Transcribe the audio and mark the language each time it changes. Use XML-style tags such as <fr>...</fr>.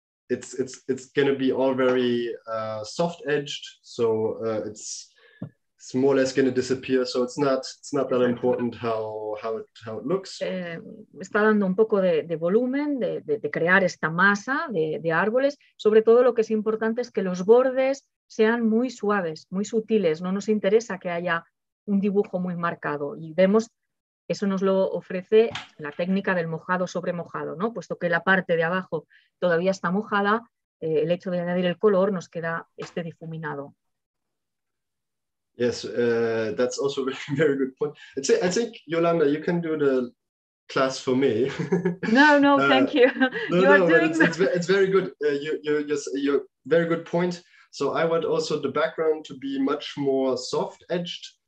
<en>It's gonna be all very soft edged. So it's more or less gonna disappear. So it's not that important how it looks.</en> <es>Está dando un poco de volumen de crear esta masa de árboles. Sobre todo lo que es importante es que los bordes sean muy suaves, muy sutiles. No nos interesa que haya un dibujo muy marcado. Y vemos eso nos lo ofrece la técnica del mojado sobre mojado, ¿no? Puesto que la parte de abajo todavía está mojada, el hecho de añadir el color nos queda este difuminado.</es> <en>Yes, that's also a very, very good point. I think, Yolanda, you can do the class for me. No, thank you. It's very good. You're very good point. So I want also the background to be much more soft edged.</en>